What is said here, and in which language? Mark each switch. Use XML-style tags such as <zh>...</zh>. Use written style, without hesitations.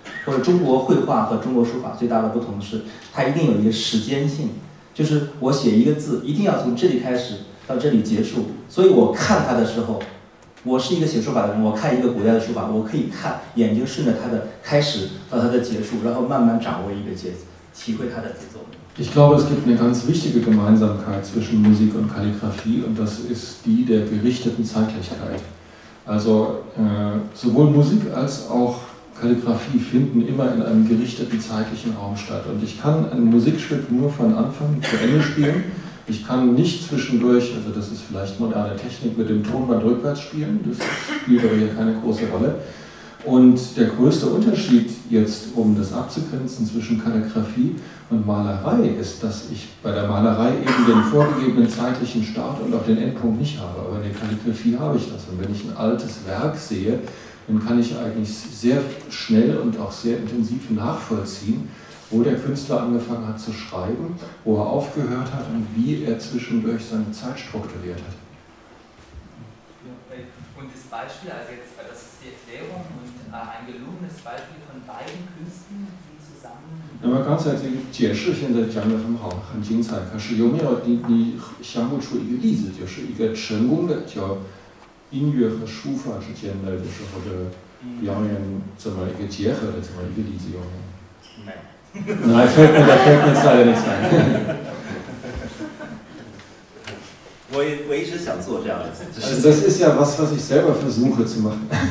<zh>或者中国绘画和中国书法最大的不同是，它一定有一个时间性，就是我写一个字一定要从这里开始到这里结束，所以我看它的时候，我是一个写书法的人，我看一个古代的书法，我可以看眼睛顺着它的开始到它的结束，然后慢慢掌握一个节奏，体会它的节奏。</zh> <de>Ich glaube, es gibt eine ganz wichtige Gemeinsamkeit zwischen Musik und Kalligrafie und das ist die der gerichteten Zeitlichkeit. Also sowohl Musik als auch Kalligrafie finden immer in einem gerichteten zeitlichen Raum statt. Und ich kann ein Musikstück nur von Anfang zu Ende spielen. Ich kann nicht zwischendurch, also das ist vielleicht moderne Technik, mit dem Tonband rückwärts spielen. Das spielt aber hier keine große Rolle. Und der größte Unterschied jetzt, um das abzugrenzen zwischen Kalligrafie und Malerei, ist, dass ich bei der Malerei eben den vorgegebenen zeitlichen Start und auch den Endpunkt nicht habe. Aber in der Kalligrafie habe ich das. Und wenn ich ein altes Werk sehe, dann kann ich eigentlich sehr schnell und auch sehr intensiv nachvollziehen, wo der Künstler angefangen hat zu schreiben, wo er aufgehört hat und wie er zwischendurch seine Zeit strukturiert hat. Und das Beispiel, also jetzt, weil das ist die Erklärung und ein gelungenes Beispiel von beiden Künsten,</de> <zh>那么刚才这个解释现在讲得很好，很精彩。可是有没有你想不出一个例子，就是一个成功的叫音乐和书法之间的，就是或者表演怎么一个结合的这么一个例子有吗？没。那还剩下的三个。我一直想做这样的。</zh> <de>Das ist ja was, was ich selber versuche zu machen.</de>